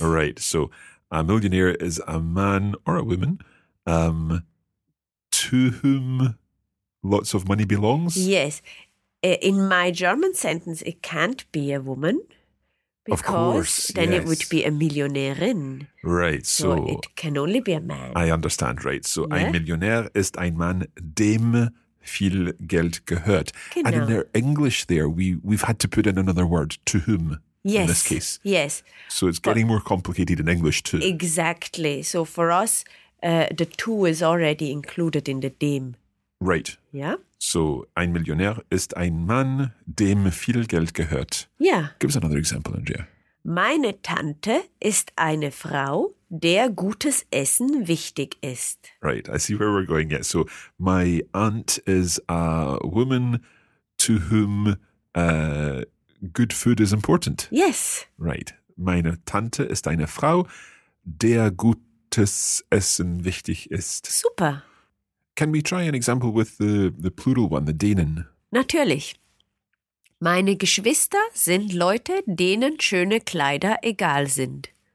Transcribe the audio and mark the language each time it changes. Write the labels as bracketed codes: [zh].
[en] Right, so a millionaire is a man or a woman to whom... lots of money belongs? Yes. In my German sentence, it can't be a woman. Because of course, then yes. It would be a Millionärin. Right. So it can only be a man. I understand, right. [de] So yeah. Ein Millionär ist ein Mann, dem viel Geld gehört. Genau. [en] And in their English there, we've had to put in another word, to whom, yes. In this case. Yes. So it's getting more complicated in English too. Exactly. So for us, the to is already included in the dem. Right. Yeah. [de] So, ein Millionär ist ein Mann, dem viel Geld gehört. [en] Yeah. Give us another example, Andrea. [de] Meine Tante ist eine Frau, der gutes Essen wichtig ist. [en] Right. I see where we're going. Yeah. So, my aunt is a woman to whom good food is important. Yes. Right. [de] Meine Tante ist eine Frau, der gutes Essen wichtig ist. Super. [en] Can we try an example with the plural one, the denen? [de] Natürlich. Meine Geschwister sind Leute, denen schöne Kleider egal sind.